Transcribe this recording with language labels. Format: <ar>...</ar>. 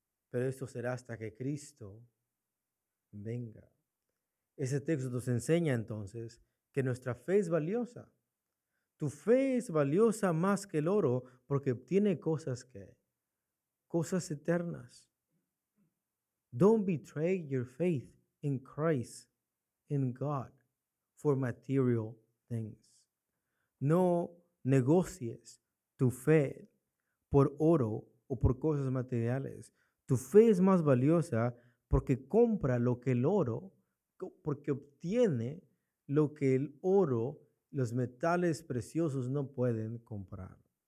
<es>Pero esto será hasta que Cristo venga. Ese texto nos enseña entonces que nuestra fe es valiosa. Tu fe es valiosa más que el oro, porque tiene cosas que, cosas eternas.</es> <en>Don't betray your faith in Christ, in God, for material things.</en> <es>No negocies tu fe por oro o por cosas materiales. Tu fe es más valiosa porque compra lo que el oro, porque obtiene lo que el oro, los metales preciosos no pueden comprar.</es>